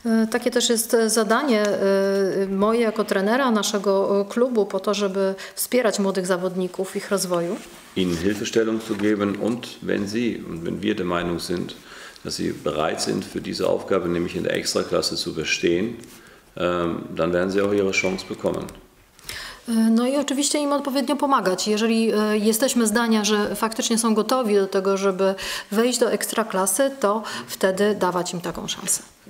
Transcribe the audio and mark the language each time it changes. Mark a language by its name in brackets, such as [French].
[Polish] Takie też jest zadanie moje jako trenera naszego klubu po to, żeby wspierać młodych zawodników w ich rozwoju. [German] Ihnen Hilfestellung zu geben und wenn Sie und wenn wir der Meinung sind, dass Sie bereit sind für diese Aufgabe, nämlich in der Extraklasse zu bestehen, dann werden Sie auch Ihre Chance bekommen. [Polish] No i oczywiście im odpowiednio pomagać. Jeżeli jesteśmy zdania, że faktycznie są gotowi do tego, żeby wejść do ekstraklasy, to wtedy dawać im taką szansę.